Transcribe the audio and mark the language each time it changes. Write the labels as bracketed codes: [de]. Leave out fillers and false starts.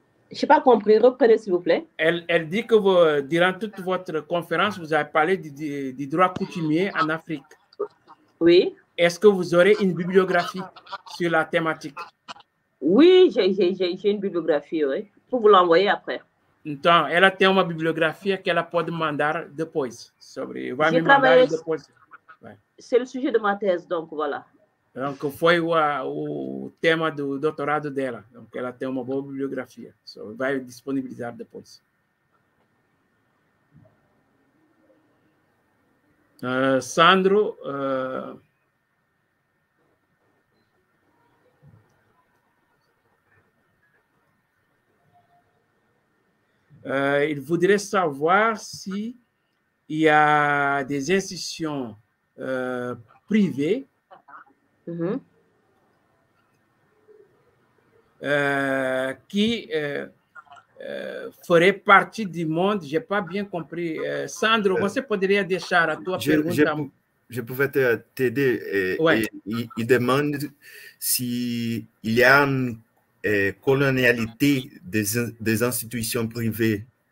[fr] Je n'ai pas compris, reprenez s'il vous plaît. Elle dit que durant toute votre conférence, vous avez parlé du droit coutumier en Afrique. Oui. Est-ce que vous aurez une bibliographie sur la thématique? Oui, j'ai une bibliographie, oui, pour vous l'envoyer après. [pt] Então, ela tem uma bibliografia que ela pode mandar depois. Sobre, vai [fr] J'ai [pt] me mandar [fr] travaillé... [pt] depois. [fr] C'est le sujet de ma thèse, donc voilà. [pt] Donc, foi o tema do doutorado dela. Donc, ela tem uma boa bibliografia. So, vai disponibilizar depois. Sandro. [fr] Il voudrait savoir si il y a des institutions privées qui feraient partie du monde. J'ai pas bien compris. [pt] Sandro, você poderia deixar a tua pergunta? [fr] Je pouvais t'aider. Il demande s'il y a une colonialité des institutions privées.